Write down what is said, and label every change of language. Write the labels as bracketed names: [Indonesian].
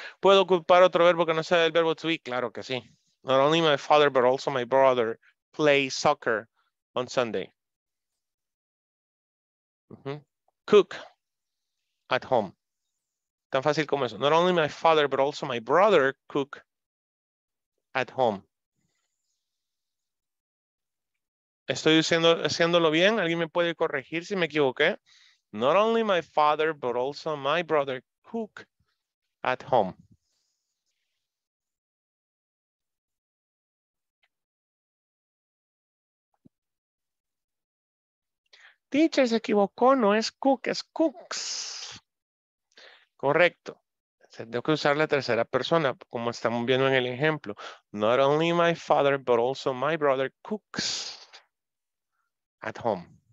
[Spanish] ¿Puedo ocupar otro verbo que no sea el verbo to be? Claro que sí. [English] Not only my father, but also my brother play soccer on Sunday. Cook at home. [Spanish] Tan fácil como eso. [English] Not only my father, but also my brother cook at home. [Spanish] ¿Estoy haciéndolo bien? ¿Alguien me puede corregir si me equivoqué? [English] Not only my father, but also my brother cook at home. [Spanish] Teacher, se equivocó, no es cook, es cooks. Correcto. Tengo que usar la tercera persona, como estamos viendo en el ejemplo. [English] Not only my father, but also my brother cooks at home.